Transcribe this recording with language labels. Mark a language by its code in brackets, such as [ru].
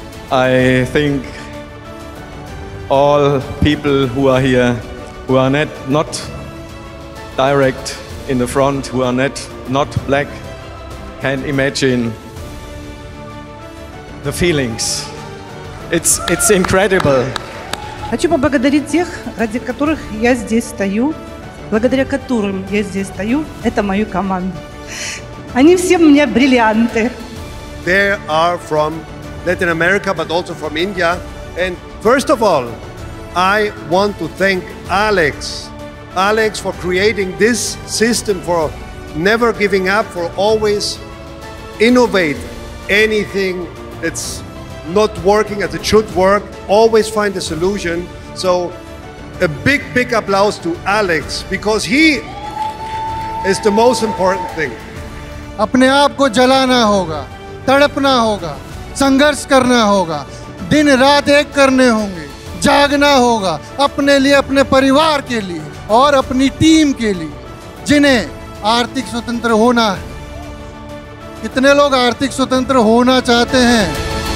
[en] I think all people who are here, who are not direct in the front, who are not black, can imagine the feelings. It's incredible. [ru] Хочу поблагодарить тех, ради которых я здесь стою, благодаря которым я здесь стою. Это мою команду. Они все у меня бриллианты. [en] They are from Latin America, but also from India. And first of all, I want to thank Alex. Alex for creating this system, for never giving up, for always innovate anything that's not working as it should work, always find a solution. So a big, big applause to Alex, because he is the most important thing. [hi] अपने आप को जलाना होगा, तड़पना होगा, संघर्ष करना होगा, दिन रात एक करने होंगे, जागना होगा, अपने लिए, अपने परिवार के लिए और अपनी टीम के लिए, जिन्हें आर्थिक स्वतंत्र होना है। कितने लोग आर्थिक स्वतंत्र होना चाहते हैं?